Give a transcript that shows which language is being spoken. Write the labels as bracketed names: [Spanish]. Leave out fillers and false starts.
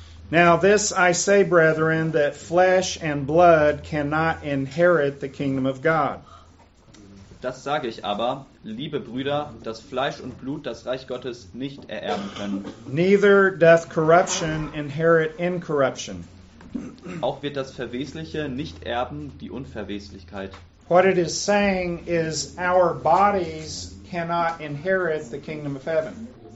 [English] Now this I say, brethren, that flesh and blood cannot inherit the kingdom of God. [German] Das sage ich aber, liebe Brüder, dass Fleisch und Blut das Reich Gottes nicht ererben können. [English] Neither doth corruption inherit incorruption. [German] Auch wird das Verwesliche nicht erben die Unverweslichkeit. [English] What it is saying is our bodies cannot inherit the kingdom of heaven.